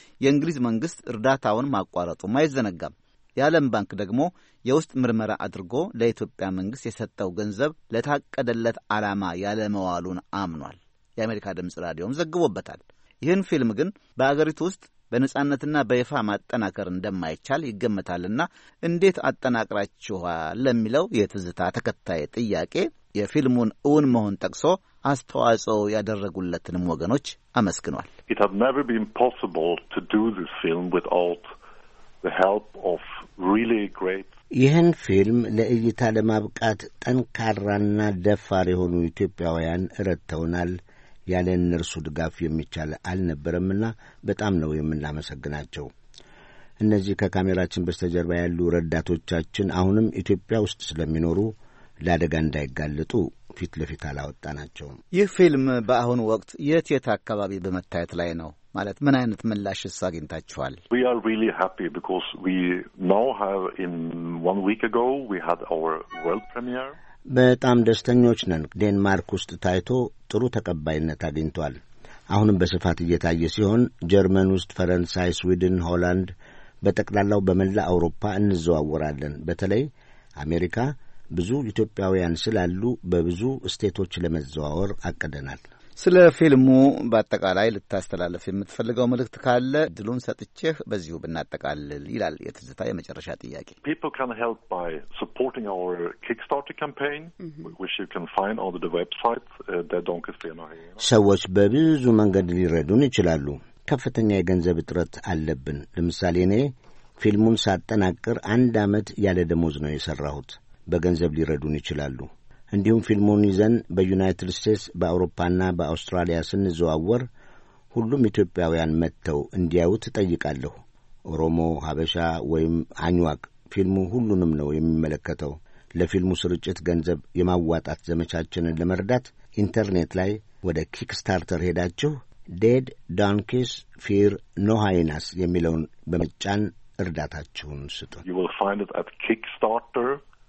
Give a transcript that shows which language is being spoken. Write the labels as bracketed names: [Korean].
[Amharic] የእንግሊዝ መንግስት እርዳታውን ማቋረጡ ማይዘነጋም። የዓለም ባንክ ደግሞ የውስጥ ምርመራ አድርጎ ለኢትዮጵያ መንግስት የሰጠው ገንዘብ ለታቀደለት ዓላማ ያለመዋሉን አምኗል። የአሜሪካ ድምጽ ራዲዮም ዘግቦበታል። ይህን ፊልም ግን በአገሪቱ ውስጥ በነጻነትና በይፋ ማጠናከር እንደማይቻል ይገመታልና እንዴት አጠናቅራችኋል ለሚለው የትዝታ ተከታይ ጥያቄ የፊልሙን እውን መሆን ጠቅሶ አስተዋጽኦ ያደረጉለትንም ወገኖች አመስግኗል። [English] It had never been possible to do this film without the help of really great [Amharic] ይህን ፊልም ለእይታ ለማብቃት ጠንካራና ደፋር የሆኑ ኢትዮጵያውያን ረድተውናል። ያለ እነርሱ ድጋፍ የሚቻል አልነበረምና በጣም ነው የምናመሰግናቸው። እነዚህ ከካሜራችን በስተጀርባ ያሉ ረዳቶቻችን አሁንም ኢትዮጵያ ውስጥ ስለሚኖሩ ለአደጋ እንዳይጋለጡ ፊት ለፊት አላወጣናቸው። ይህ ፊልም በአሁን ወቅት የት የት አካባቢ በመታየት ላይ ነው? ማለት ምን አይነት ምላሽ አግኝታችኋል? [English] We are really happy because we now have in 1 week ago we had our world premiere. [Amharic] በጣም ደስተኞች ነን። ዴንማርክ ውስጥ ታይቶ ጥሩ ተቀባይነት አግኝቷል። አሁንም በስፋት እየታየ ሲሆን ጀርመን ውስጥ፣ ፈረንሳይ፣ ስዊድን፣ ሆላንድ በጠቅላላው በመላ አውሮፓ እንዘዋወራለን። በተለይ አሜሪካ ብዙ ኢትዮጵያውያን ስላሉ በብዙ ስቴቶች ለመዘዋወር አቀደናል። ስለ ፊልሙ በአጠቃላይ ልታስተላልፍ የምትፈልገው መልእክት ካለ ድሉን ሰጥቼህ በዚሁ ብናጠቃልል ይላል የትዝታ የመጨረሻ ጥያቄ። [English] People can help by supporting our Kickstarter campaign, which you can find on the website that donkefeno. [Amharic] ሰዎች በብዙ መንገድ ሊረዱን ይችላሉ። ከፍተኛ የገንዘብ ጥረት አለብን። ለምሳሌ እኔ ፊልሙን ሳጠናቅር አንድ አመት ያለ ደሞዝ ነው የሰራሁት። በገንዘብ ሊረዱን ይችላሉ። እንዲሁም ፊልሙን ይዘን በዩናይትድ ስቴትስ፣ በአውሮፓና በአውስትራሊያ ስንዘዋወር ሁሉም ኢትዮጵያውያን መጥተው እንዲያዩት ጠይቃለሁ። ኦሮሞ፣ ሀበሻ ወይም አኝዋክ ፊልሙ ሁሉንም ነው የሚመለከተው። ለፊልሙ ስርጭት ገንዘብ የማዋጣት ዘመቻችንን ለመርዳት ኢንተርኔት ላይ ወደ ኪክስታርተር ሄዳችሁ ዴድ ዶንኪስ ፊር ኖ ሃይናስ የሚለውን በመጫን እርዳታችሁን ስጡ። [English] You will find it at Kickstarter.